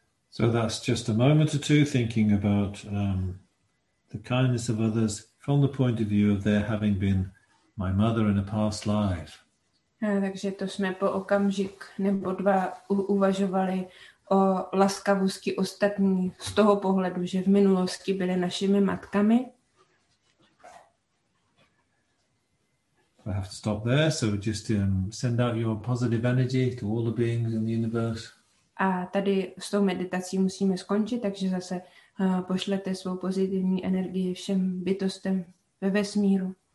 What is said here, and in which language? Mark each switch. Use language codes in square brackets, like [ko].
[en] So that's just a moment or two thinking about the kindness of others from the point of view of their having been my mother in a past life. [cs] Takže to jsme po okamžik nebo dva uvažovali o laskavosti ostatních z toho pohledu, že v minulosti byly našimi matkami. [en] I have to stop there, so just send out your positive energy to all the beings in the universe. [cs] A tady s tou meditací musíme skončit, takže zase pošlete svou pozitivní energii všem bytostem ve vesmíru.